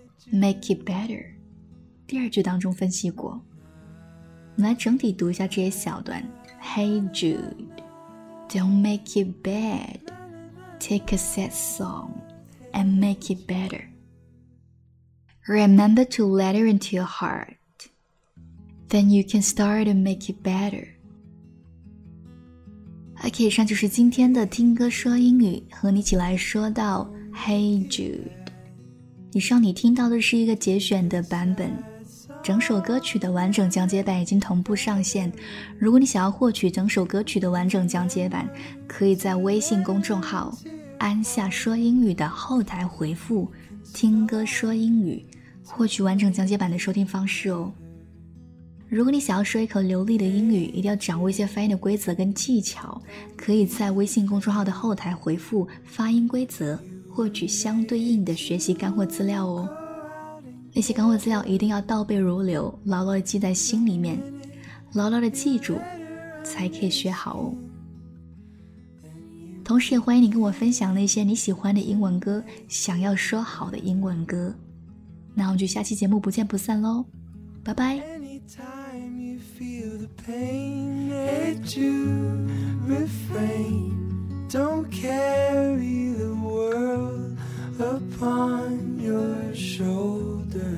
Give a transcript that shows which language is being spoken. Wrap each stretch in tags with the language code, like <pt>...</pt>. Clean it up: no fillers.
<en>Make it better，</en> <zh>第二句当中分析过，我们来整体读一下这些小段。</zh> <en>Hey Jude, don't make it bad. Take a sad song and make it better. Remember to let her into your heart. Then you can start to make it better.</en> <zh>OK， 以上就是今天的听歌说英语，和你一起来说到 Hey Jude。以上你听到的是一个节选的版本，整首歌曲的完整讲解版已经同步上线，如果你想要获取整首歌曲的完整讲解版，可以在微信公众号安夏说英语的后台回复听歌说英语，获取完整讲解版的收听方式哦。如果你想要说一口流利的英语，一定要掌握一些发音的规则跟技巧，可以在微信公众号的后台回复发音规则，获取相对应的学习干货资料哦。那些干货资料一定要倒背如流，牢牢地记在心里面，牢牢地记住才可以学好哦。同时也欢迎你跟我分享那些你喜欢的英文歌，想要说好的英文歌。那我们就下期节目不见不散咯，拜拜。</zh> <en>Anytime you feel the pain, let you refrain. Don't carry the world upon your shoulders.</en>